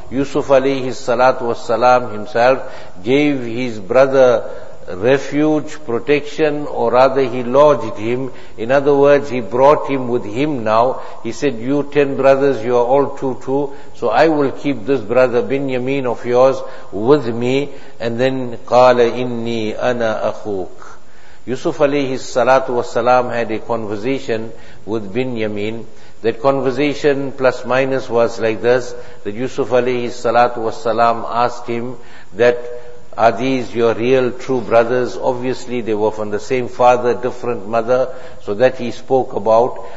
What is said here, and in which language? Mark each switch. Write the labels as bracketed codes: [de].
[en] Yusuf alayhi salat wa salam himself gave his brother refuge, protection, or rather he lodged him. In other words, he brought him with him now. He said, you 10 brothers, you are all two. So I will keep this brother Binyamin of yours with me. And then, [ar] قَالَ إِنِّي أَنَا أَخُوكُ. [en] Yusuf alayhi salatu wasalam had a conversation with Binyamin. That conversation plus minus was like this, that Yusuf alayhi salatu wasalam asked him that, are these your real true brothers? Obviously they were from the same father, different mother. So that he spoke about.